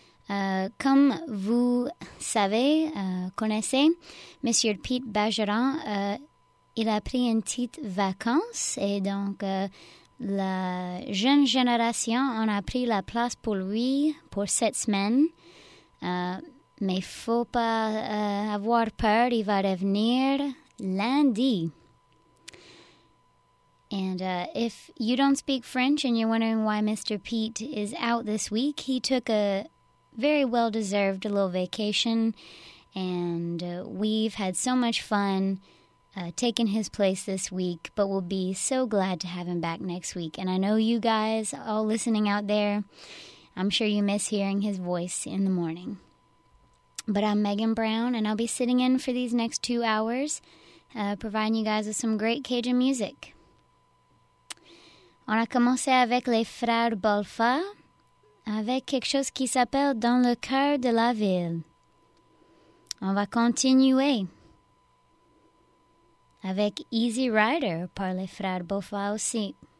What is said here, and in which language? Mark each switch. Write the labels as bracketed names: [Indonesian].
[French] Comme vous savez, connaissez, Monsieur Pete Bergeron, il a pris une petite vacance et donc la jeune génération en a pris la place pour lui pour cette semaine. Mais faut pas avoir peur, il va revenir lundi. [English] And if you don't speak French and you're wondering why Mr. Pete is out this week, he took a very well-deserved little vacation, and we've had so much fun taking his place this week, but we'll be so glad to have him back next week. And I know you guys, all listening out there, I'm sure you miss hearing his voice in the morning. But I'm Megan Brown, and I'll be sitting in for these next 2 hours, providing you guys with some great Cajun music. [French] On a commencé avec les frères Balfa, avec quelque chose qui s'appelle Dans le cœur de la ville. On va continuer avec Easy Rider par les frères Balfa aussi.